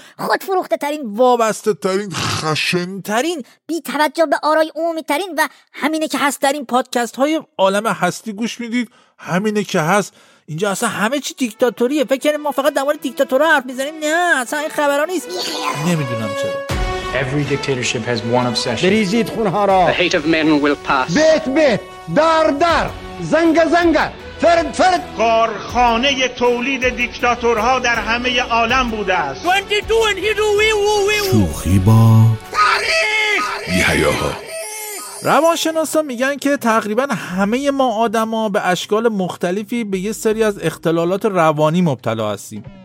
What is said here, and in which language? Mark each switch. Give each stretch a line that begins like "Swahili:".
Persian: خودفروخته ترین، وابسته ترین، خشن ترین، بی توجه به آرای عمومی ترین و همینه که هست ترین پادکست های عالم هستی گوش میدید. همینه که هست. اینجا اصلا همه چی دیکتاتوریه. فکر کنید ما فقط در مورد دیکتاتورا حرف میزنیم. نه، اصلا این خبرا نیست. نمیدونم چرا.
English: Every dictatorship has one obsession.
Persian: بریزید خونها را.
English: The hate of men will pass.
Persian: بیت بیت، دار دار، زنگ زنگ، فرد فرد. کارخانه تولید دیکتاتورها در همه عالم بوده است. 22 and he do we woo we woo. شوخی با تاریخ. یه‌ها. روانشناسا میگن که تقریبا همه ما آدما به اشکال مختلفی به یه سری از اختلالات روانی مبتلا هستیم.